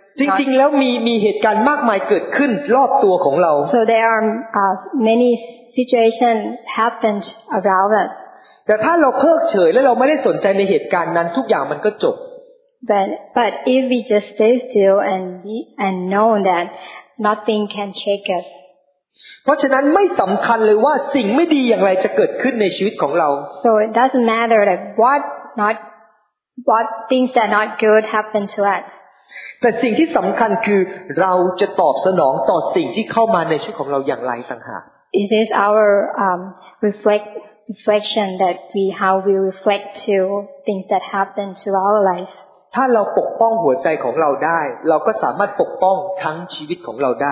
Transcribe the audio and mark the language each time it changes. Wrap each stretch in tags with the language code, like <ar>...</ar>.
<th>จริงๆแล้วมีเหตุการณ์มากมายเกิดขึ้นรอบตัวของเรา</th> <en>So there are many situations happened around us</en> <th>แต่ถ้าเราเพิกเฉยแล้วเราไม่ได้สนใจในเหตุการณ์นั้นทุกอย่างมันก็จบ</th> <en>But if we just stay still and know that nothing can shake us</en> <th>เพราะฉะนั้นไม่สำคัญเลยว่าสิ่งไม่ดีอย่างไรจะเกิดขึ้นในชีวิตของเรา</th> <en>So it doesn't matter that what things that not good happen to us</en> <th>แต่สิ่งที่สำคัญคือเราจะตอบสนองต่อสิ่งที่เข้ามาในชีวิตของเราอย่างไรต่างหาก</th> <en>It is our reflection that we how we reflect to things that happen to our lives</en> <th>ถ้าเราปกป้องหัวใจของเราได้เราก็สามารถปกป้องทั้งชีวิตของเราได</th>